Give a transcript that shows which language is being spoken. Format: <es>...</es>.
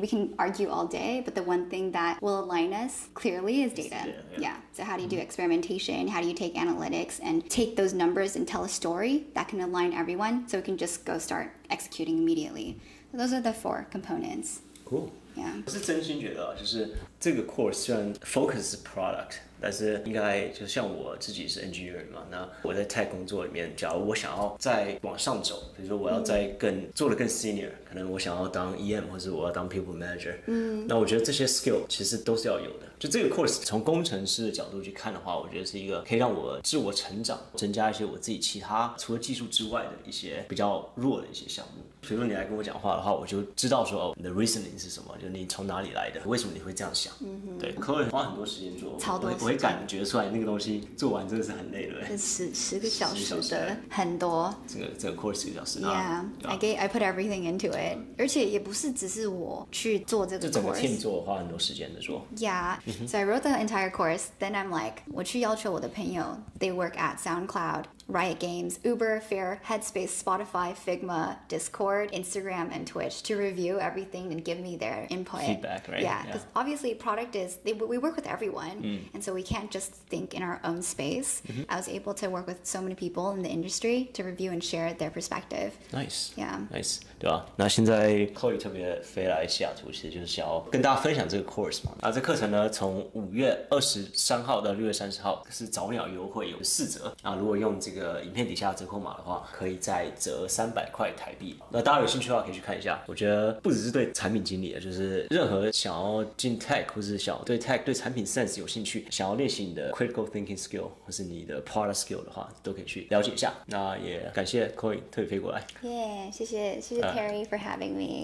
<en>We can argue all day, but the one thing that will align us clearly is data. Yeah. So how do you do experimentation? How do you take analytics and take those numbers and tell a story that can align everyone so we can just go start executing immediately? So those are the four components. Cool. Yeah.</en> <zh>我是真心觉得啊，就是这个 course 虽然 focus product， 但是应该就像我自己是 engineer 嘛，那我在 tech 工作里面，假如我想要再往上走，比如说我要再更做得更 senior， 可能我想要当 EM 或者我要当 people manager， 那我觉得这些 skill 其实都是要有的。就这个 course 从工程师的角度去看的话，我觉得是一个可以让我自我成长，增加一些我自己其他除了技术之外的一些比较弱的一些项目。比如说你来跟我讲话的话，我就知道说、你的 reasoning 是什么，就你从哪里来的，为什么你会这样想。对，可能花很多时间做，超多时间，我会感觉出来那个东西做完真的是很累的，十个小时的很多。这个 course 十个小时呢</zh> <en>？Yeah, I put everything into it.</en> <zh>而且也不是只是我去做这个 course，就整个 team 做，花很多时间的做。</zh> <en>Yeah. So I wrote the entire course. Then I'm like,</en> <zh>我去要求我的朋友</zh> <en>They work at SoundCloud, Riot Games, Uber, Fair, Headspace, Spotify, Figma, Discord, Instagram, and Twitch to review everything and give me their input. Feedback, right? Yeah, because obviously product is, we work with everyone. And so we can't just think in our own space. I was able to work with so many people in the industry to review and share their perspective. Nice. Yeah. Nice.</en> <zh>对吧、啊、那现在 Chloe 特别飞来西雅图其实就是想要跟大家分享这个 course 嘛。那这课程呢从5月23号到6月30号是早鸟优惠有4折，那如果用这个影片底下的折扣码的话可以再折300块台币。那大家有兴趣的话可以去看一下，我觉得不只是对产品经理，就是任何想要进 tech 或是想要对 tech 对产品 sense 有兴趣，想要练习你的</zh> <en>critical thinking skill</en> <zh>或是你的 product skill 的话都可以去了解一下。那也感谢 Chloe 特别飞过来。谢谢</zh> <en>Terry for having me.</en>